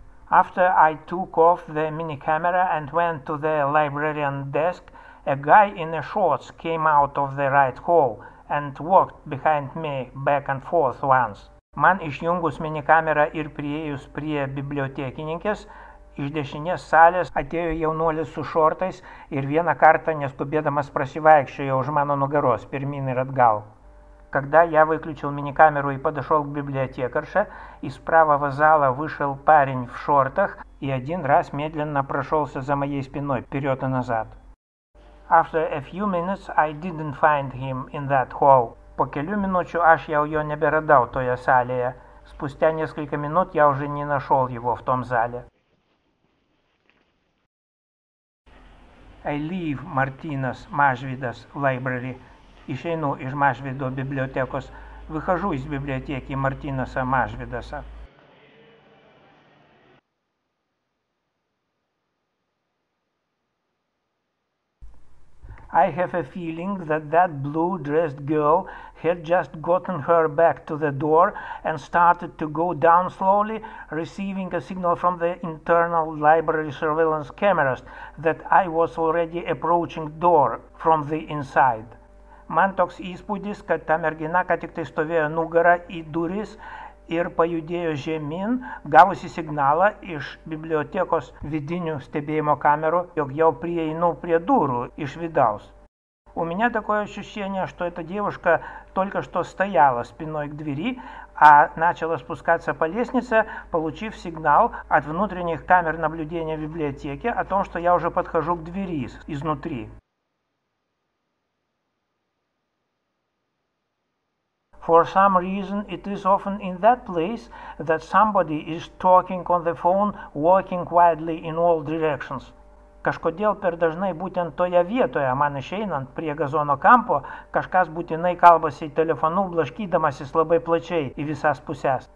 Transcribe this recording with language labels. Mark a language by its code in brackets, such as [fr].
[en] After I took off the mini-camera and went to the librarian desk, a guy in a shorts came out of the right hall and walked behind me back and forth once. [lt] Man išjungus mini-kamerą ir priėjus prie bibliotekininkės, iš dešinės salės atėjo jaunuolis su šortais ir vieną kartą neskubėdamas prasivaikščiojo už mano nugaros pirmin ir atgal. [ru] Когда я выключил мини-камеру и подошел к библиотекарше, из правого зала вышел парень в шортах и один раз медленно прошелся за моей спиной вперед и назад. [en] After a few minutes I didn't find him in that hall. [lt] По келю минучу аж я ее не берадал той салее. [ru] Спустя несколько минут я уже не нашел его в том зале. [en] I leave Martinas Mažvydas library. [lt] Išeinu iš Mažvydo bibliotekos, [ru] выхожу из библиотеки Мартинаса Мажвидаса. [en] I have a feeling that that blue-dressed girl had just gotten her back to the door and started to go down slowly, receiving a signal from the internal library surveillance cameras that I was already approaching door from the inside. [lt] Man toks įspūdis, kad ta mergina ką tik tai stovėjo nugarą į duris ir pajudėjo žemyn, gavusi signalą iš bibliotekos vidinių stebėjimo kamerų, jog jau prieinu prie durų iš vidaus. [ru] У меня такое ощущение, что эта девушка только что стояла спиной к двери, а начала спускаться по лестнице, получив сигнал от внутренних камер наблюдения в библиотеке о том, что я уже подхожу к двери изнутри. [en] For some reason, it is often in that place that somebody is talking on the phone, walking quietly in all directions. [lt] Kažkodėl per dažnai būtent toje vietoje, man išeinant prie gazono kampo, kažkas būtinai kalbasi telefonu, blaškydamasis labai plačiai į visas puses.